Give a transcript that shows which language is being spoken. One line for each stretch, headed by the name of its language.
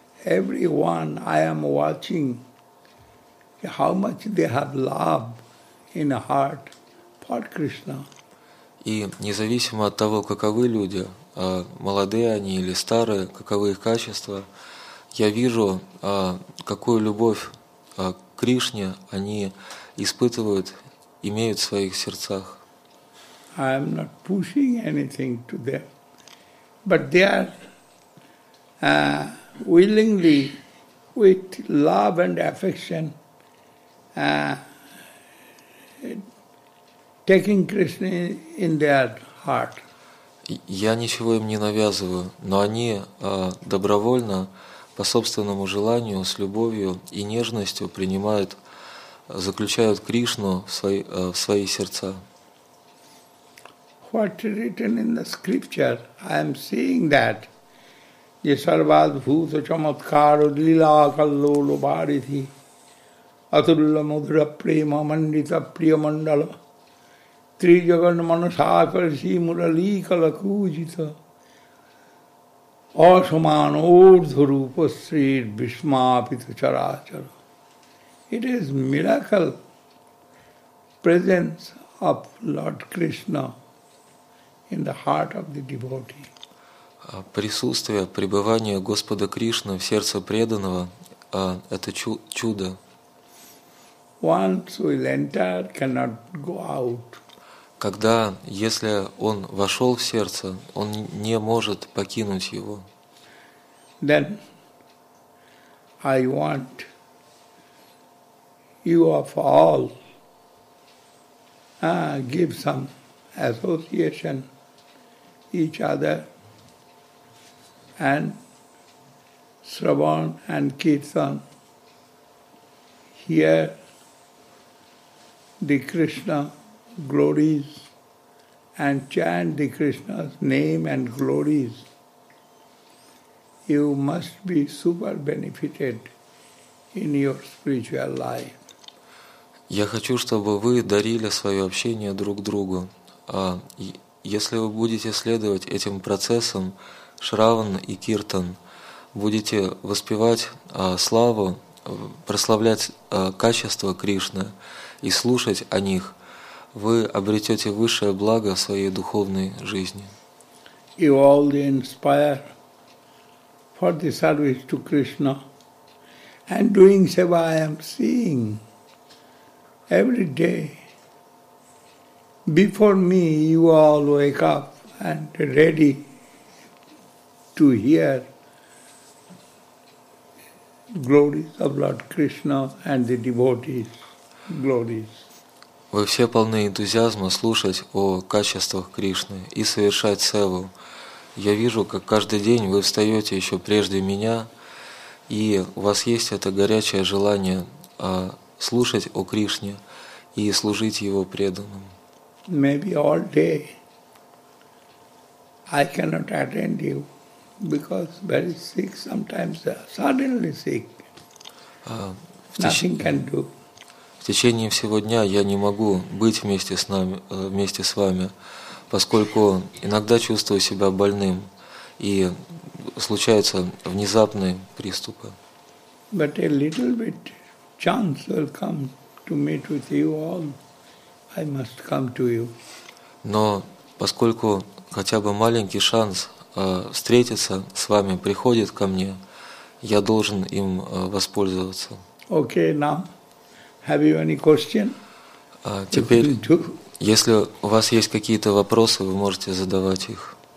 English: Everyone, I am watching how much they have love in heart for Krishna.
Russian: И независимо от того, каковы люди, молодые они или старые, каковы их качества, я вижу, какую любовь к Кришне они испытывают, имеют в своих сердцах.
English: I am not pushing anything to them, but they are willingly, with love and affection, taking Krishna in their heart.
Russian: Я ничего им не навязываю, но они добровольно, по собственному желанию, с любовью и нежностью принимают, заключают Кришну в свои сердца.
English: What is written in the scripture? I am seeing that.
Sanskrit: Ye sarvad bhuta chamatkar lila kallo lobarithi atulla madhura prema mandita priyamandala trijagan manasakarshi murali kalakujita asaman urdhu rupa sri bhishmapita charachar.
English: It is miracle presence of Lord Krishna in the heart of the devotee.
Russian: Присутствие, пребывание Господа Кришны в сердце преданного – это чудо.
English: Once we enter, cannot go out.
Russian: Когда, если он вошел в сердце, он не может покинуть его.
English: Then I want you of all give some association each other. And Shravan and Kirtan hear the Krishna glories and chant the Krishna's name and glories. You must be super benefited in your spiritual life.
Russian: Я хочу, чтобы вы дарили свое общение друг другу. Если вы будете следовать этим процессам, Шраван и Киртан, будете воспевать славу, прославлять качество Кришны и слушать о них, вы обретете высшее благо в своей духовной жизни.
English: You all inspire for the service to Krishna. And doing seva I am seeing every day. Before me you all wake up and ready to hear glories of Lord Krishna and the devotees' glories.
Russian: Вы все полны энтузиазма слушать о качествах Кришны и совершать севу. Я вижу, как каждый день вы встаете еще прежде меня и у вас есть это горячее желание слушать о Кришне и служить Его преданным.
English: Maybe all day I cannot attend you because very sick sometimes, suddenly sick. Nothing can do.
Russian: В течение всего дня я не могу быть вместе с нами, вместе с вами, поскольку иногда чувствую себя больным и случаются внезапные приступы.
English: But a little bit chance will come to meet with you all. I must come to you.
Russian: Но поскольку хотя бы маленький шанс встретиться с вами приходит ко мне, я должен им воспользоваться.
English: Okay, now. Have you any question?
Russian: Теперь, если у вас есть какие-то вопросы, вы можете задавать их.